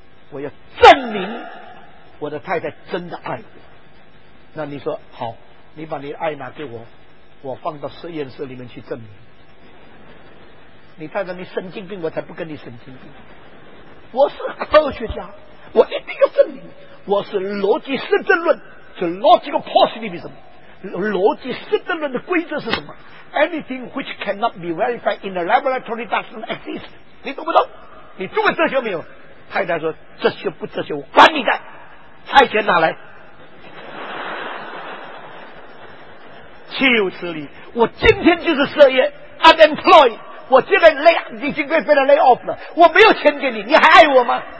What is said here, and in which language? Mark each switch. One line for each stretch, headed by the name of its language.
Chinese: 我要证明我的太太真的爱我，那你说好，你把你的爱拿给我，我放到实验室里面去证明。你太太你神经病，我才不跟你神经病。我是科学家，我一定要证明我是逻辑实证论，是
English: logical positivism。
Chinese: 逻辑实证论的规则是什么？
English: Anything which cannot be verified in the laboratory doesn't exist。
Chinese: 你懂不懂？你读过哲学没有？太太说哲学不哲学我管你的，菜钱拿来。岂有此理，我今天就是失业 unemployed，我现在已经被lay off 了，我没有钱给你，你还爱我吗？